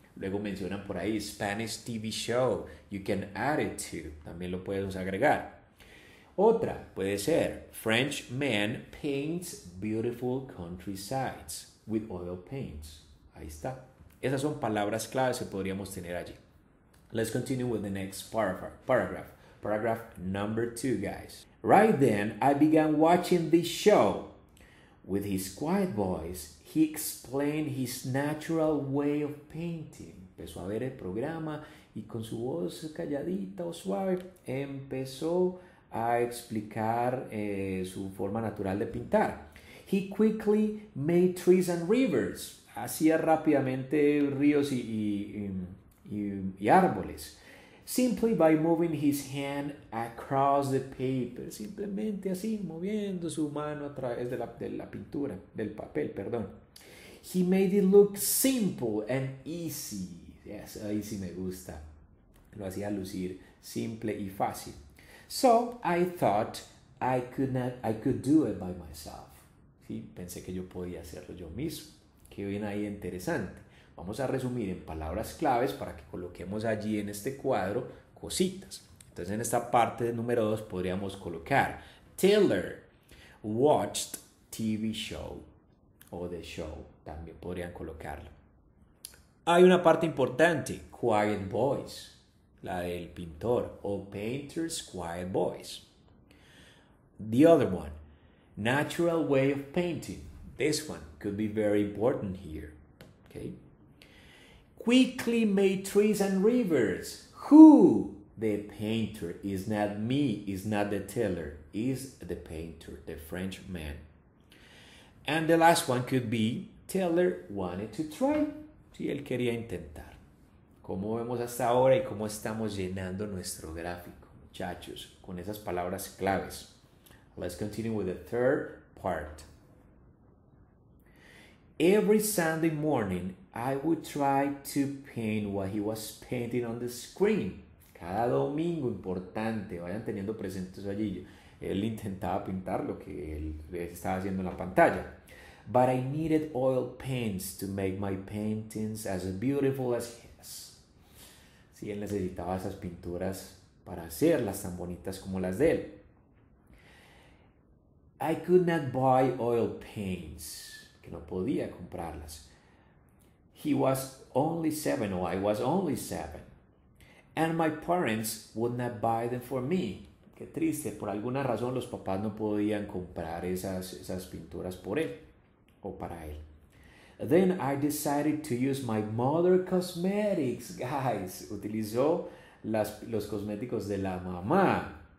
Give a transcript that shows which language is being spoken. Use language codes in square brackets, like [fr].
[es] Luego mencionan por ahí Spanish TV show, [en] you can add it to, [es] también lo puedes agregar. Otra puede ser [en] French man paints beautiful countrysides with oil paints. [es] Ahí está. Esas son palabras claves que podríamos tener allí. [en] Let's continue with the next paragraph number 2, guys. Right then, I began watching this show. With his quiet voice, he explained his natural way of painting. [es] Empezó a ver el programa y con su voz calladita o suave empezó a explicar su forma natural de pintar. [en] He quickly made trees and rivers. [es] Hacía rápidamente ríos y árboles. [en] Simply by moving his hand across the paper. [es] Simplemente así, moviendo su mano a través de la pintura, del papel, perdón. [en] He made it look simple and easy. Yes, [es] ahí sí me gusta. Lo hacía lucir simple y fácil. [en] So I thought I could do it by myself. [es] Sí, pensé que yo podía hacerlo yo mismo. Qué bien ahí, interesante. Vamos a resumir en palabras claves para que coloquemos allí en este cuadro cositas. Entonces, en esta parte de número 2 podríamos colocar Taylor [en] watched TV show [es] o [en] the show. [es] También podrían colocarlo. Hay una parte importante, [en] quiet voice, [es] la del pintor o [en] painter's quiet voice. The other one, natural way of painting. This one could be very important here. Okay. Quickly made trees and rivers. Who? The painter is not me, is not the teller, is the painter, the French man. And the last one could be Teller wanted to try. [es] Sí, él quería intentar. ¿Cómo vemos hasta ahora y cómo estamos llenando nuestro gráfico, muchachos, con esas palabras claves? [en] Let's continue with the third part. Every Sunday morning, I would try to paint what he was painting on the screen. [es] Cada domingo, importante, vayan teniendo presentes allí. Él intentaba pintar lo que él estaba haciendo en la pantalla. [en] But I needed oil paints to make my paintings as beautiful as his. [es] Sí, él necesitaba esas pinturas para hacerlas tan bonitas como las de él. [en] I could not buy oil paints. [es] Que no podía comprarlas. [en] He was only seven, or I was only seven. And my parents would not buy them for me. [es] Qué triste, por alguna razón los papás no podían comprar esas pinturas por él o para él. [en] Then I decided to use my mother cosmetics, guys. [es] Utilizó los cosméticos de la mamá.